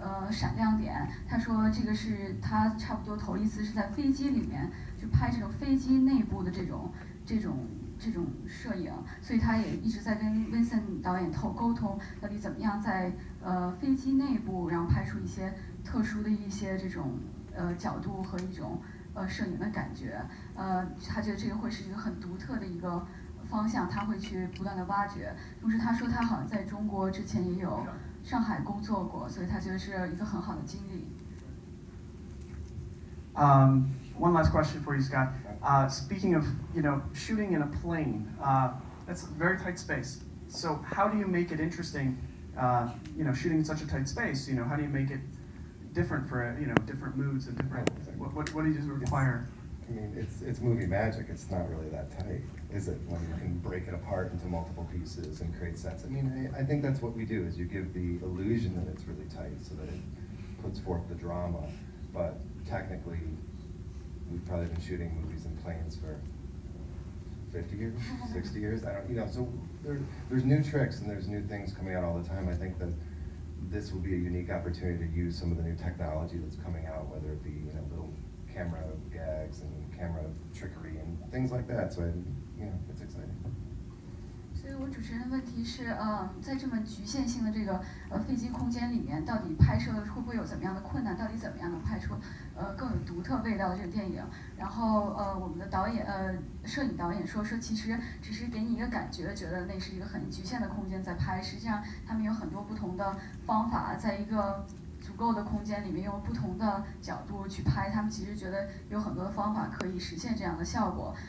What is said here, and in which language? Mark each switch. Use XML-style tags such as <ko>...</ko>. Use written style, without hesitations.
<zh>闪亮点，他说这个是他差不多头一次是在飞机里面就拍这种飞机内部的这种摄影，所以他也一直在跟 Vincent 导演沟通到底怎么样在飞机内部然后拍出一些特殊的一些这种角度和一种摄影的感觉，他觉得这个会是一个很独特的一个方向，他会去不断的挖掘。同时他说他好像在中国之前也有上海工作过，所以他觉得是一个很好的经历。</zh> <en>One last question for you, Scott. Speaking of, you know, shooting in a plane, that's a very tight space. So how do you make it interesting, you know, shooting in such a tight space, you know, how do you make it different for, you know, different moods and different, what do you require? I mean, it's movie magic. It's not really that tight, is it? When you can break it apart into multiple pieces and create sets. I mean, I think that's what we do, is you give the illusion that it's really tight so that it puts forth the drama, but technically, we've probably been shooting movies in planes for 50 years, 60 years. I don't, you know, so there's new tricks and there's new things coming out all the time. I think that this will be a unique opportunity to use some of the new technology that's coming out, whether it be, you know, little camera gags and camera trickery and things like that. So, you know, it's exciting.</en> <zh>所以我主持人的问题是，在这么局限性的这个飞机空间里面，到底拍摄会不会有怎么样的困难？到底怎么样能拍出更有独特味道的这个电影？然后我们的导演摄影导演说其实只是给你一个感觉，觉得那是一个很局限的空间在拍，实际上他们有很多不同的方法，在一个足够的空间里面用不同的角度去拍，他们其实觉得有很多的方法可以实现这样的效果。</zh>